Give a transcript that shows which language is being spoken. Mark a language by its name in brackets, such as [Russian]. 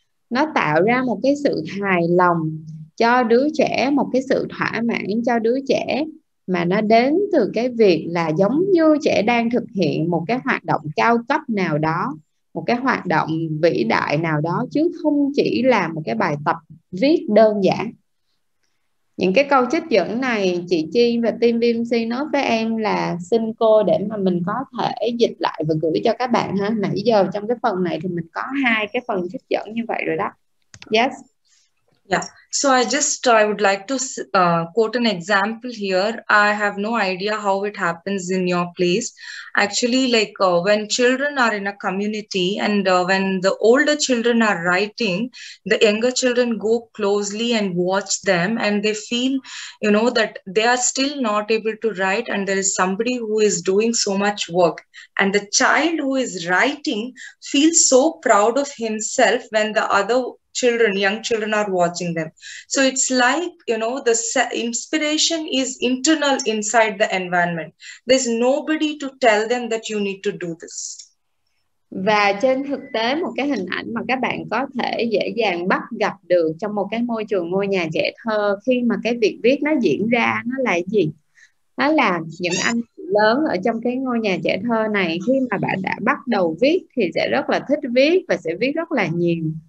[Vietnamese] Nó tạo ra một cái sự hài lòng cho đứa trẻ, một cái sự thỏa mãn cho đứa trẻ, mà nó đến từ cái việc là giống như trẻ đang thực hiện một cái hoạt động cao cấp nào đó, một cái hoạt động vĩ đại nào đó, chứ không chỉ là một cái bài tập viết đơn giản. Những cái câu trích dẫn này chị Chi và team BMC nói với em là xin cô để mà mình có thể dịch lại và gửi cho các bạn ha. Nãy giờ trong cái phần này thì mình có hai cái phần trích dẫn như vậy rồi đó. [English] Yes. Yeah. So I would like to quote an example here. I have no idea how it happens in your place. Actually, like when children are in a community and when the older children are writing, the younger children go closely and watch them, and they feel, you know, that they are still not able to write, and there is somebody who is doing so much work. And the child who is writing feels so proud of himself when the other children, young children are watching them. So it's like, you know, the inspiration is internal inside the environment. There's nobody to tell them that you need to do this. [Vietnamese] Và trên thực tế, một cái hình ảnh mà các bạn có thể dễ dàng bắt gặp được trong một cái môi trường ngôi nhà trẻ thơ khi mà cái việc viết nó diễn ra, nó là gì? Nó là những anh lớn ở trong cái ngôi nhà trẻ thơ này, khi mà bạn đã bắt đầu viết thì sẽ rất là thích viết và sẽ viết rất là nhiều.